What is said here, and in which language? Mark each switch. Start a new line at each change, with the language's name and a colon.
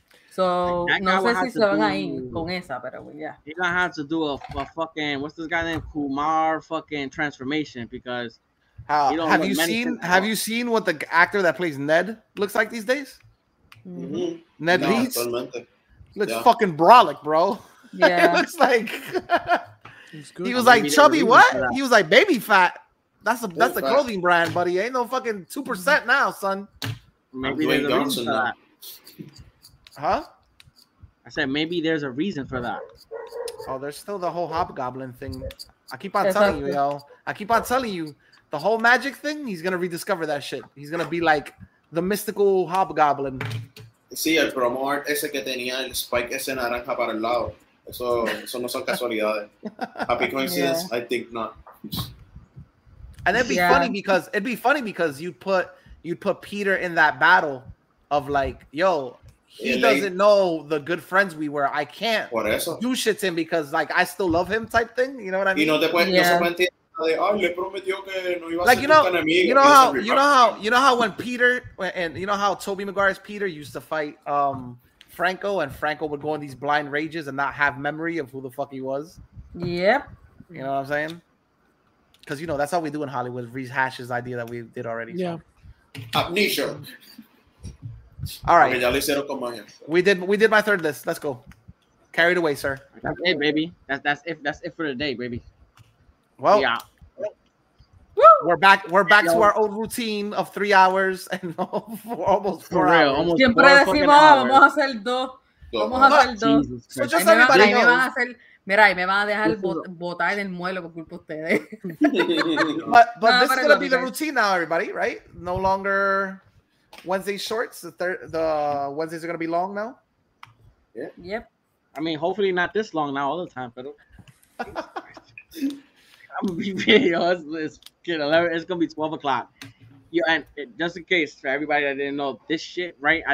Spanish: So, no sé si se van ahí con esa, pero yeah.
English: He's gonna have to do a fucking, what's this guy named, Kumar fucking transformation, because Have you seen what the actor that plays Ned looks like these days? Mm-hmm. Ned Leeds? Looks fucking brolic, bro. Yeah. It looks like he was like chubby. What? He was like baby fat. That's a that's a clothing brand, buddy. Ain't no fucking 2% now, son. Maybe there's a reason for that. Huh? I said maybe there's a reason for that. Oh, there's still the whole hobgoblin thing. I keep on telling you, yo. I keep on telling you, the whole magic thing. He's gonna rediscover that shit. He's gonna be like the mystical hobgoblin.
Spanish: Sí, el promo art ese que tenía el spike ese naranja para el lado. Eso, eso no son casualidades.
English: Happy coincidence? Yeah. I think not. And it'd be funny because you'd put Peter in that battle of like, yo, he doesn't know the good friends we were. I can't do shit to him because like I still love him type thing. You know what I mean?
Spanish: Y no te puedes, no se me entiende, le prometió que no iba a ser nunca enemigo.
English: You know how when Peter and you know how Tobey Maguire's Peter used to fight Franco and Franco would go in these blind rages and not have memory of who the fuck he was. Yep. You know what I'm saying? Because, you know, that's how we do in Hollywood, rehashes idea that we did already. Yeah. Amnesia. All right. We did my third list. Let's go. Carry it away, sir. Hey, baby. That's it for the day, baby. Well, yeah. We're back to our old routine of 3 hours and almost four hours.
Spanish: Siempre decimos, vamos a hacer dos. Vamos a hacer dos.
English: So just everybody knows.
Spanish: Mira, y me van a dejar botar en el muelo por culpa de ustedes.
English: But this is going to be the routine now, everybody, right? No longer Wednesday shorts. The Wednesdays are going to be long now. Yeah. Yep. I mean, hopefully not this long now all the time, but I'm going to be video. It's going to be 12 o'clock. Yeah, and just in case for everybody that didn't know this shit, right?